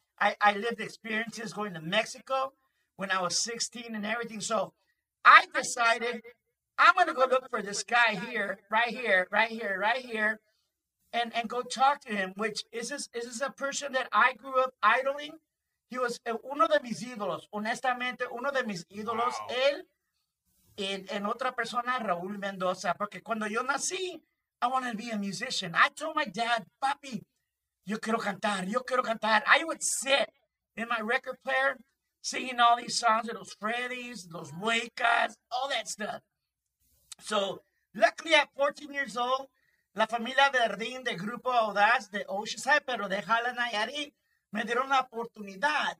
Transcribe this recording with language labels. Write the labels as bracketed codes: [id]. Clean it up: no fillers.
[en] I lived experiences going to Mexico when I was 16 and everything. So I decided I'm going to go look for this guy here, right here. And go talk to him, which is this a person that I grew up idling. He was [es] uno de mis ídolos, honestamente, uno de mis ídolos. [en] Wow. [es] Él en otra persona, Raúl Mendoza, porque cuando yo nací, [en] I wanted to be a musician. I told my dad, [es] papi, yo quiero cantar. [en] I would sit in my record player singing all these songs of those Freddies, those Muecas, all that stuff. So luckily at 14 years old, La Familia Verdín de Grupo Audaz de Oceanside, [es] pero de Jala Nayarit, me dieron la oportunidad.